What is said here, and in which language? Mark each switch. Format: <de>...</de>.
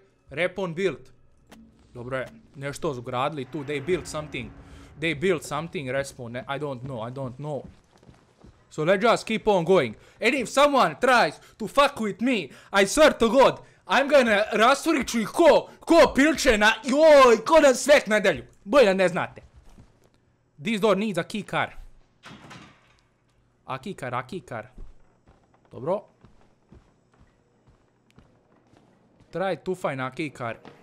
<en>Repon built.</en> <hr>Dobro je, nešto zgradili tu,</hr> <en>they built something, respawn, I don't know. So let's just keep on going. And if someone tries to fuck with me, I swear to God, I'm gonna</en> <hr>rastvorit ću ih ko pilče na, joj, ko na svek nedelju. Bolje ne znate.</hr> <en>This door needs a keycar. A keycar. Dobro. Try to find a keycar.</en>